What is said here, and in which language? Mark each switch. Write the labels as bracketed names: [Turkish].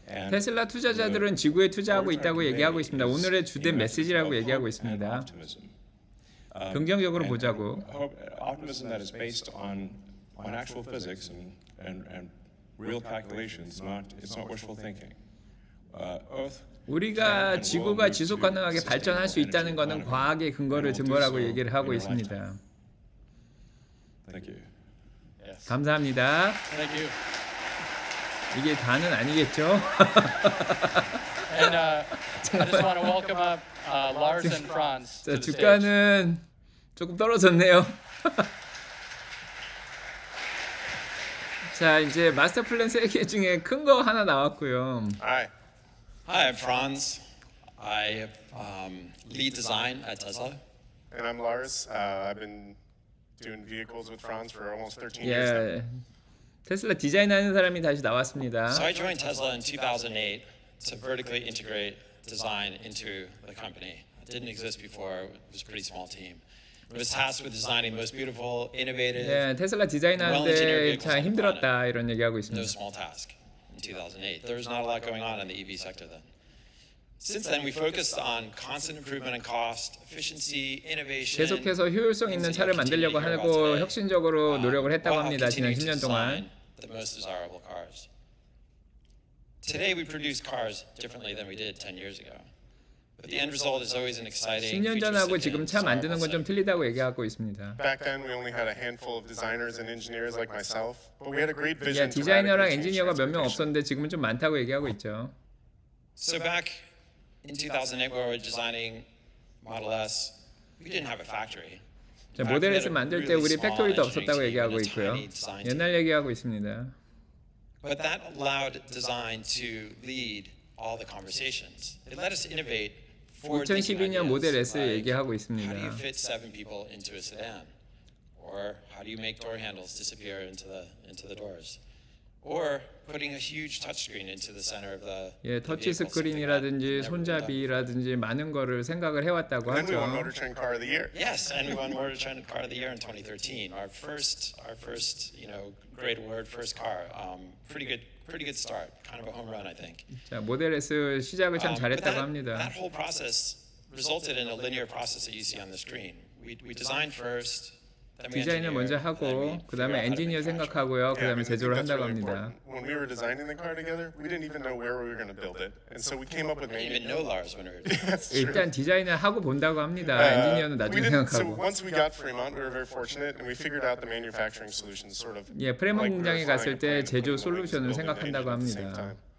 [Korean] 테슬라 투자자들은 지구에 투자하고 있다고 얘기하고 있습니다. 오늘의 주된 메시지라고 얘기하고 있습니다. 긍정적으로 보자고. [English] Optimism that is based on actual physics and real calculations, it's not wishful thinking. Earth [Korean] 우리가 지구가 지속 가능하게 발전할 수 있다는 것은 과학의 근거를 증거라고 얘기를 하고 있습니다. [English] Thank you. [Korean] 감사합니다. [English] Thank you. [Korean] 이게 다는 아니겠죠? [English] And I just want to welcome up Lars and Franz. [Korean] 자, 주가는 조금 떨어졌네요. 자, 이제 마스터 플랜 세 개 중에 큰 거 하나 나왔고요. [English] Hi. Hi, I'm Franz. I lead design at Tesla. And I'm Lars. I've been doing vehicles with Franz for almost 13 years now. [Korean] 테슬라 디자인하는 사람이 다시 나왔습니다. [English] So I joined Tesla in 2008 to vertically integrate design into the company. It didn't exist before. It was a pretty small team. It was tasked with designing most beautiful, innovative. [Korean] 예, 테슬라 디자인하는데 참 힘들었다 이런 얘기하고 있습니다. [English] No small task in 2008. There was not a lot going on the EV sector then. Since then, we focused on constant improvement in cost, efficiency, innovation. [Korean] 계속해서 효율성 있는 차를 만들려고 하고 혁신적으로 노력을 했다고 합니다. 지난 10년 동안. [English] The most desirable cars. Today, we produce cars differently than we did 10 years ago. But the end result is always an exciting. [Korean] 10년 전하고 지금 차 만드는 건 좀 틀리다고 얘기하고 있습니다. [English] Back then, we only had a handful of designers and engineers like myself, but we had a great vision. [Korean] 예, 디자이너랑 엔지니어가 몇 명 없었는데 지금은 좀 많다고 얘기하고 있죠. [English] So back. In 2008, we were designing Model S. We didn't have a factory. [Korean] 자, 모델에서 만들 때 우리 팩토리도 없었다고 얘기하고 있고요. 옛날 얘기하고 있습니다. [English] But that allowed design to lead all the conversations. It let us innovate. [Korean] 2012년 모델 S 얘기하고 있습니다. [English] How do you fit seven people into a sedan? Or how do you make door handles disappear into the doors? Or putting a huge touchscreen into the center of the vehicle. [Korean] 예, 터치 스크린이라든지 손잡이라든지 많은 거를 생각을 해왔다고 [English] and And we won Motor Trend Car of the Year. Yes, and we won Motor Trend Car of the Year in 2013. Our first, you know, great award, first car. Pretty good start. Kind of a home run, I think. [Korean] 자, 모델 S 시작을 참 잘했다고 합니다. [English] That whole process resulted in a linear process that you see on the screen. We designed first. [Korean] 디자인을 먼저 하고 그 다음에 엔지니어 생각하고요. 그 다음에 제조를 한다고 합니다. [English] When we were designing the car together, we didn't even know where we were going to build it. And so we came up with even no Lars when we were doing it. [Korean] 일단 디자인을 하고 본다고 합니다. 엔지니어는 나중에 생각하고. [English] So once we got Fremont, we were very fortunate and we figured out the manufacturing solution sort of. [Korean] 예, 프레몬 공장에 갔을 때 제조 솔루션을 생각한다고 합니다.